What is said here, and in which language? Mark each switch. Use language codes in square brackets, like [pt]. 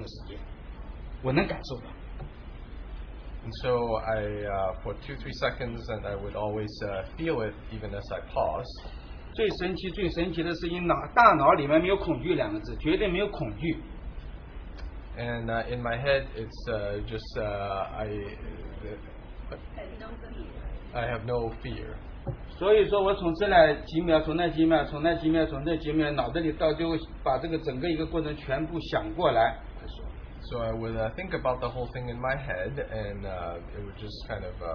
[zh] 所以我在这个地方呢出现多长时间，但每一个地方停留的我都会扣掉2到3秒钟的时间，我能感受到。 [en] And so I, for 2-3 seconds, and I would always feel it even as I pause. [zh] 最神奇的是，大脑里面没有恐惧两个字，绝对没有恐惧。 [en] And in my head, it's just I have no fear. [zh] 所以说我从这来几秒，从那几秒，从那几秒，从那几秒，脑子里到最后把这个整个一个过程全部想过来。 [en] So I would think about the whole thing in my head, and it would just kind of